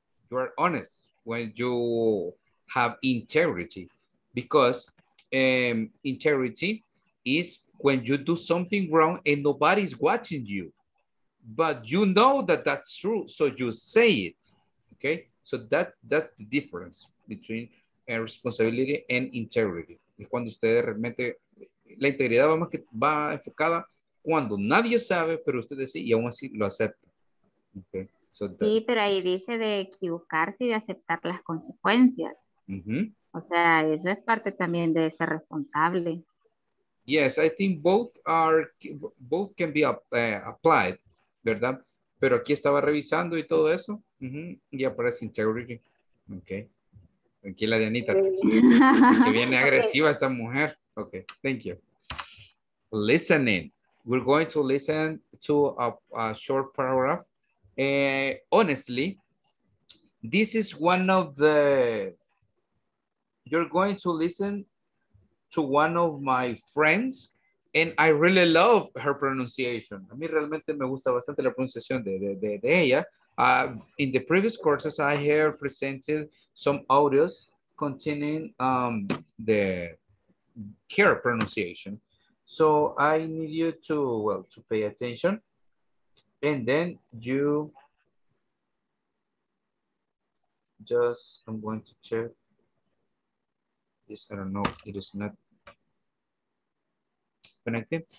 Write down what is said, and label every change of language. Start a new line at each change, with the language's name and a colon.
English: You are honest when you have integrity, because integrity is when you do something wrong and nobody's watching you, but you know that that's true, so you say it, okay? So that's the difference between responsibility and integrity.
Spanish: Es cuando ustedes realmente, la integridad va enfocada cuando nadie sabe, pero ustedes sí, y aún así lo aceptan.
English: Okay?
Spanish: So sí, pero ahí dice de equivocarse y de aceptar las consecuencias. Uh-huh. O sea, eso es parte también de ser responsable.
English: Yes, I think both can be applied,
Spanish: ¿verdad? Pero aquí estaba revisando y todo eso, y aparece integrity, ¿ok? Tranquila, Dianita, que viene agresiva esta mujer.
English: Ok, thank you. Listening. We're going to listen to a short paragraph. Honestly, this is one of the... You're going to listen to one of my friends, and I really love her pronunciation.
Spanish: A mí realmente me gusta bastante la pronunciación de ella.
English: In the previous courses, I have presented some audios containing the her pronunciation. So I need you to, well, to pay attention. And then you just, I'm going to check this, I don't know, it is not connected.